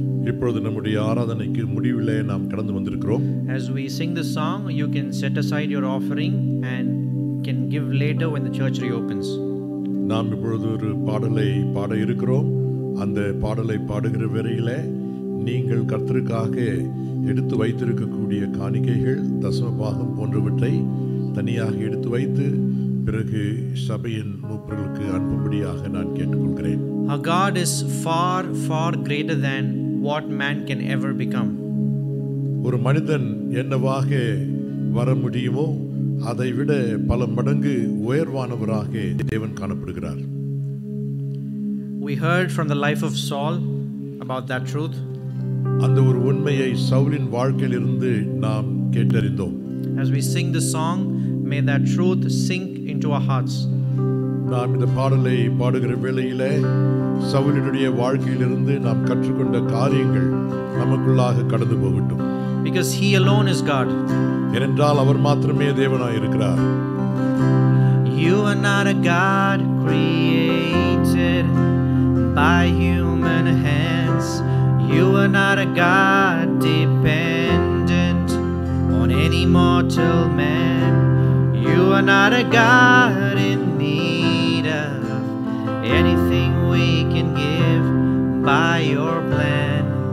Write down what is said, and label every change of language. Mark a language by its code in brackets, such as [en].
[ta] இப்பொழுது நம்முடைய ஆராதனைக்கு முடிவிலே நாம் கடந்து வந்திருக்கிறோம். [en] As we sing the song, you can set aside your offering and can give later when the church reopens. [ta] நாம் இப்பொழுது ஒரு பாடலை பாட இருக்கிறோம். அந்த பாடலை பாடுகிற வரையிலே நீங்கள் கர்த்தருக்காக எடுத்து வைத்திருக்கக்கூடிய காணிக்கைகள், தசமபாகம் போன்றவற்றை தனியாக எடுத்து வைத்து பிறகு சபையின் மூப்பர்களுக்கு அனுப்பும்படியாக நான் கேட்டுக்கொள்கிறேன். [en] Our God is far, far greater than what man can ever become. [ta] ஒரு மனிதன் என்னவாக வர முடியுமோ அதை விட பல மடங்கு உயர்வானவராக தேவன் காணப்படுகிறார். [en] We heard from the life of Saul about that truth. [ta] அந்த ஒரு உண்மையை சவுலின் வாழ்க்கையிலிருந்து நாம் கேட்டறிந்தோம். [en] As we sing the song, may that truth sink into our hearts. [ta] நாம் இந்த பாடலை பாடுகிற வேளையிலே சவுலினுடைய வாழ்க்கையிலிருந்து நாம் கற்றுக்கொண்ட காரியங்கள் நமக்குள்ளாக கடந்து போகட்டும். [en] Because he alone is God. [ta] ஏனென்றால் அவர் மாத்திரமே தேவனாய் இருக்கிறார். [en] You are not a God created by human hands. You are not a God dependent on any mortal man. You are not a God in need of anything we can give by your plan.